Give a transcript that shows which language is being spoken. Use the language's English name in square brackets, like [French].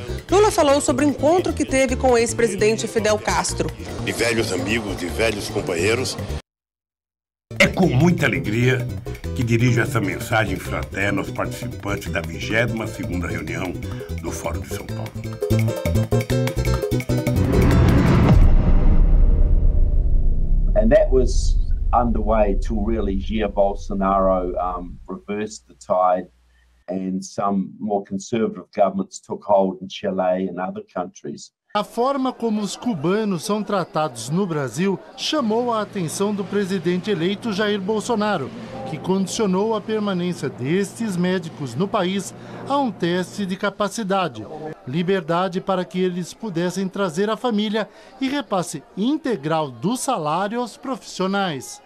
[Portuguese] Lula falou sobre o encontro que teve com o ex-presidente Fidel Castro. De velhos amigos, de velhos companheiros. É com muita alegria que dirijo essa mensagem fraterna aos participantes da 22ª reunião do Fórum de São Paulo. [English] And that was underway till really Jair Bolsonaro reversed the tide and some more conservative governments took hold in Chile and other countries. [Portuguese] A forma como os cubanos são tratados no Brasil chamou a atenção do presidente eleito Jair Bolsonaro, que condicionou a permanência destes médicos no país a um teste de capacidade. Liberdade para que eles pudessem trazer a família e repasse integral do salário aos profissionais.